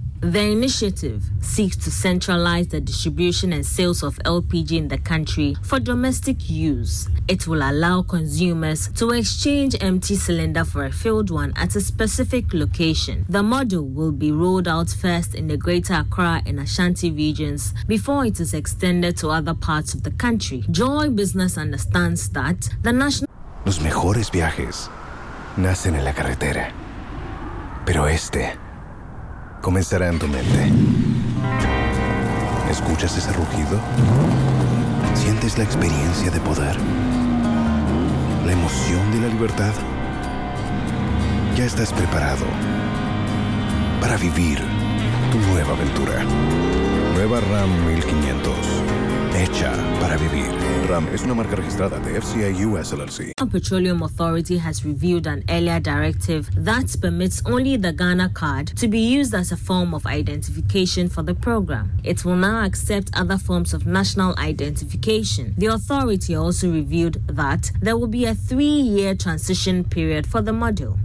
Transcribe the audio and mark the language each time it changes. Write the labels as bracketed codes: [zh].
[en] The initiative seeks to centralize the distribution and sales of LPG in the country for domestic use. It will allow consumers to exchange empty cylinder for a filled one at a specific location. The model will be rolled out first in the Greater Accra and Ashanti regions before it is extended to other parts of the country. Joy Business understands that the national... [es] Los mejores viajes nacen en la carretera, pero este... comenzará en tu mente. ¿Escuchas ese rugido? ¿Sientes la experiencia de poder? ¿La emoción de la libertad? Ya estás preparado para vivir tu nueva aventura. Nueva Ram 1500. Hecha para vivir. Ram es una marca registrada de FCA US LLC. [en] The Petroleum Authority has reviewed an earlier directive that permits only the Ghana card to be used as a form of identification for the program. It will now accept other forms of national identification. The authority also reviewed that there will be a three-year transition period for the model.